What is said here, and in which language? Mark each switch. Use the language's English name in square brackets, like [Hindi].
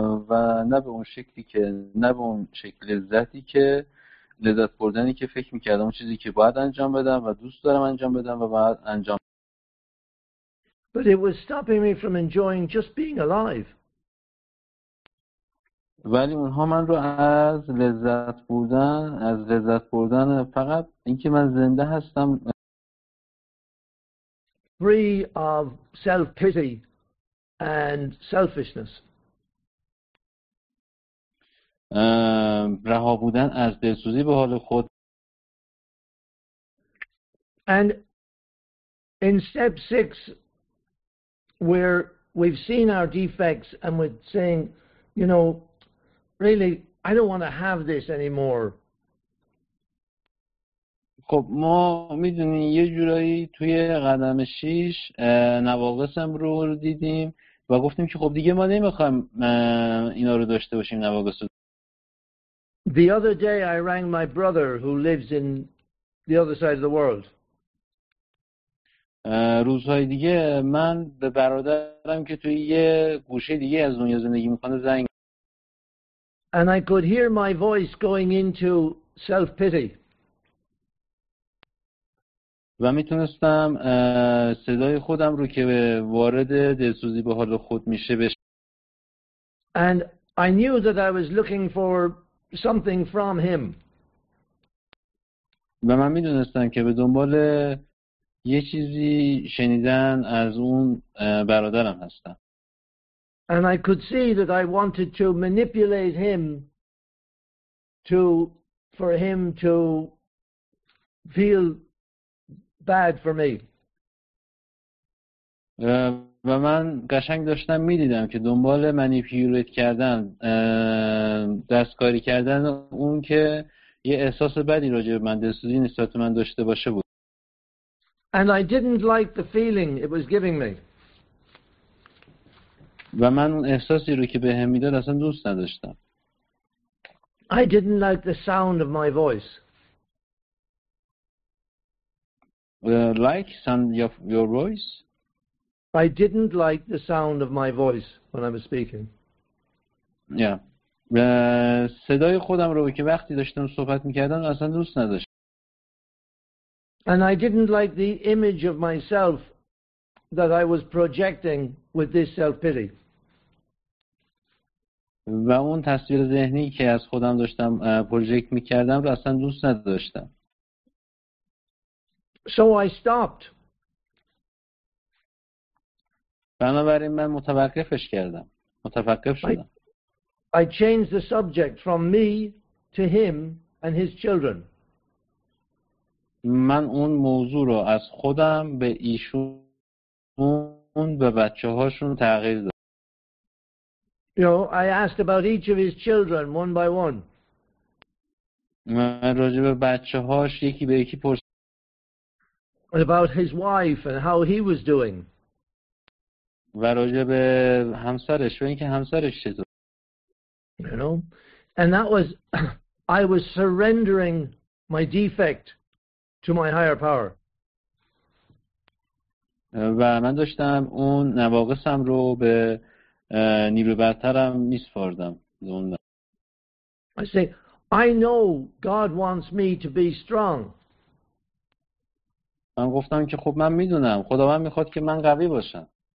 [Persian] و نه به اون شکلی که نه به اون شکل لذتی که لذت بردنی که فکر می‌کردم اون چیزی که باید انجام بدم و دوست دارم انجام بدم و باید انجام. [English] But it was stopping me from enjoying just being alive. [Persian] ولی اونها من رو از لذت بودن، از لذت بردن فقط اینکه من زنده هستم. [English] Free of self-pity and selfishness. [Persian] رها بودن از دلسوزی به حال خود. [English] And in step 6 where we've seen our defects and we're saying, you know, really, I don't want to have this anymore. [Persian] خب ما میدونیم یه جورایی توی قدم 6 نواقصم رو دیدیم و گفتیم که خب دیگه ما نمیخوایم اینا رو داشته باشیم نواقص. [English] The other day I rang my brother who lives in the other side of the world. [Persian] روزهای دیگه من به برادرم که توی یه گوشه دیگه از دنیا زندگی میکنه زنگ. [English] And I could hear my voice going into self-pity. [Persian] و میتونستم صدای خودم رو که وارد دلسوزی به حال خود میشه بشه. [English] And I knew that I was looking for something from him. [Persian] و من میدونستم که به دنبال یه چیزی شنیدن از اون برادرم هستم. [English] And I could see that I wanted to manipulate him to for him to feel bad for me. [Persian] و من قشنگ داشتم می‌دیدم که دنبال منیپولیت کردن، دستکاری کردن اون که یه احساس بدی راجع به من، دلسوزی نسبت من داشته باشه بود. [English] And I didn't like the feeling it was giving me. [Persian] و من اون احساسی رو که به هم میداد اصلا دوست نداشتم. [English] I didn't like the sound of my voice. Like sound of your voice? I didn't like the sound of my voice when I was speaking. Yeah. [Persian] صدای خودم رو که وقتی داشتم صحبت میکردم اصلا دوست نداشتم. [English] And I didn't like the image of myself that I was projecting with this self-pity. [Persian] و اون تصویر ذهنی که از خودم داشتم پروژکت میکردم رو اصلا دوست نداشتم. [English] So I stopped. [Persian] بنابراین من متوقفش کردم. متوقف شدم. [English] I changed the subject from me to him and his children. [Persian] من اون موضوع رو از خودم به ایشون به بچه‌هاشون تغییر دادم. [English] You know, I asked about each of his children one by one. [Persian] من راجع به بچه‌هاش یکی به یکی پرسیدم. [English] About his wife and how he was doing. [Persian] و راجع به همسرش و اینکه همسرش چطور. [English] You know, and that was, I was surrendering my defect to my higher power. [Persian] و من داشتم اون نواقصم رو به نیروی برترم می‌سپردم. [English] I say, I know God wants me to be strong. [Persian] من گفتم که خب من می‌دونم خداوند می‌خواد که من قوی باشم.